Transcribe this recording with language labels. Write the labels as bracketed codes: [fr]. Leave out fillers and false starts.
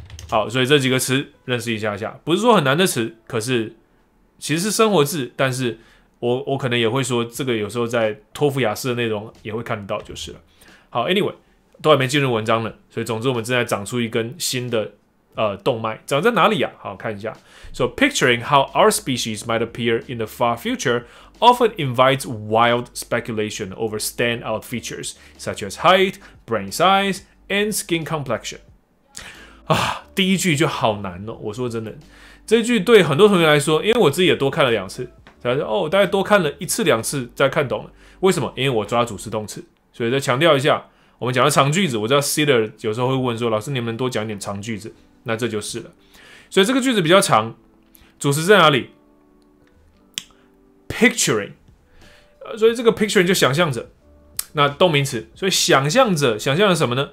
[zh] 好，所以这几个词认识一下下，不是说很难的词，可是其实是生活字，但是 我可能也会说这个有时候在托福雅思的内容也会看得到就是了。好 ， [en] anyway， [zh] 都还没进入文章了，所以总之我们正在长出一根新的动脉，长在哪里啊？好，看一下。 [en] So picturing how our species might appear in the far future often invites wild speculation over standout features such as height, brain size, and skin complexion。 [zh] 第一句就好难哦，我说真的。这句对很多同学来说，因为我自己也多看了两次，大家说大概多看了一次两次再看懂了。为什么？因为我抓主词动词，所以再强调一下，我们讲的长句子，我知道 Cedar 有时候会问说，老师你们多讲一点长句子，那这就是了。所以这个句子比较长，主词在哪里 ？Picturing， 所以这个 picturing 就想象着，那动名词，所以想象着，想象着什么呢？